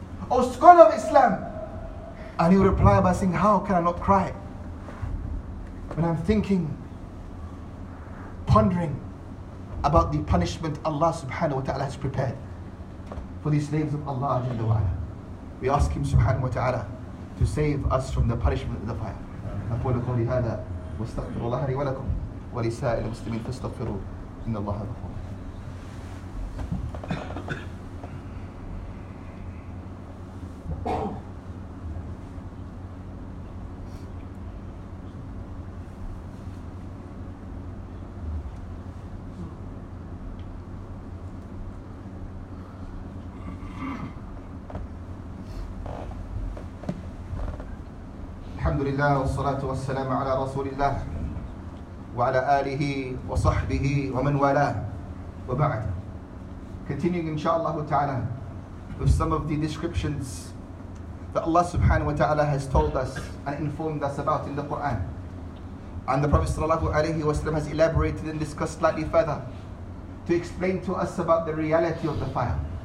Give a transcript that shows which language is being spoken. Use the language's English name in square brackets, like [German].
[English] O scholar of Islam? And he would reply by saying, how can I not cry? When I'm thinking, pondering about the punishment Allah subhanahu wa ta'ala has prepared for the slaves of Allah Jalla wa'ala. We ask Him subhanahu wa ta'ala to save us from the punishment of the fire. [Arabic] أقول قولي هذا واستغفر الله لي ولكم ولسائر المسلمين فاستغفروا إن الله غفور. الحمد لله والصلاة والسلام على رسول الله وعلى آله وصحبه ومن والاه وبعد. [English] Continuing inshallah ta'ala with some of the descriptions that Allah subhanahu wa ta'ala has told us and informed us about in the Quran. And the Prophet sallallahu alayhi wa sallam has elaborated and discussed slightly further to explain to us about the reality of the fire.